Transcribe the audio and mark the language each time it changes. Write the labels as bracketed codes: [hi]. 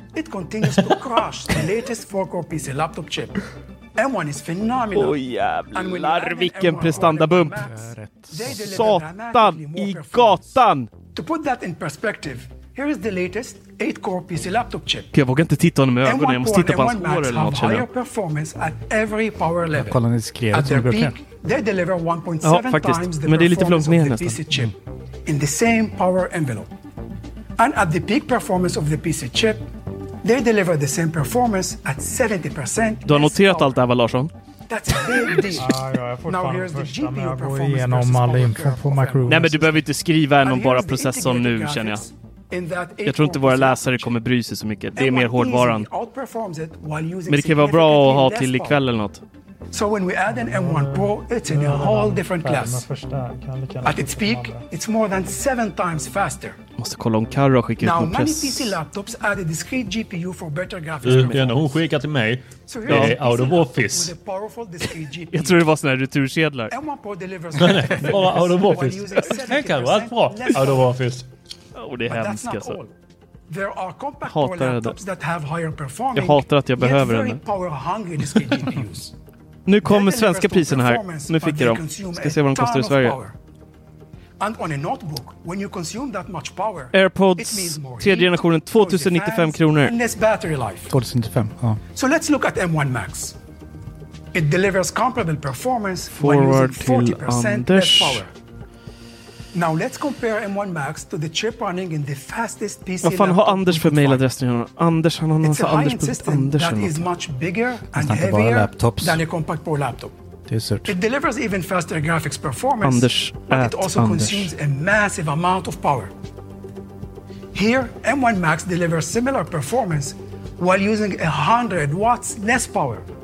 [en] It continues to crush the latest 4-core PC laptop chip. M1 is phenomenal. [sv] Oj, jävlar, vilken prestandabump. Satan i gatan. [en] To put that in perspective, here is the latest 8-core PC laptop chip. [sv] Jag vågar inte titta honom i ögonen. Jag måste titta på hans hår eller något. [en] Higher performance at every power level. [sv] Kolla, ni skrev. [en] At their peak, they deliver 1.7 times the performance of the PC chip in the same power envelope. And at the peak performance of the PC chip, they deliver the same performance at 70%. [sv] Du har noterat allt det här, va, Larsson? [en] That's a big deal. Now here's the GPU performance. [sv] Jag går igenom all info på Mac OS. Nej, men du behöver inte skriva någon bara processorn nu, känner jag. Jag tror inte våra läsare kommer bry sig så mycket. Det är mer hårdvaran. Men det kan vara bra att ha till ikväll eller något. [en] So when we add an M1 Pro, it's in a whole different class. At its peak, it's more than 7 times faster. [sv] Måste kolla om Karo skickar ut press. [en] Now, many PC laptops add a discrete GPU for better graphics. [sv] Det är när hon skickar till mig. Ja, out of office. Jag tror det var såna här returkedlar. Bara out of office. Tänk Karo, allt bra. Out of office. Och det är hemskt alltså. [en] There are compact power laptops that have higher performing. [sv] Jag hatar att jag behöver den. Nu kommer svenska priserna här. Nu fick jag dem. Ska se vad de kostar i Sverige. [en] And on a notebook, when you consume that much power, AirPods [sv] tredje generationen 2095 kronor. 2095. Ja. [en] So let's look at M1 Max. It delivers comparable performance forward when using 40% less power. Now let's compare M1 Max to the chip running in the fastest PC. [sv] Vad fan har Anders för mailadress nu? Anders, han har någon sån Anders. [en] It's a system that is much bigger and heavier than a compact pro laptop. [sv] Det är surt. [en] It delivers even faster graphics performance. Anders, but it also consumes a massive amount of power. Here, M1 Max delivers similar performance while using 100 watts less power.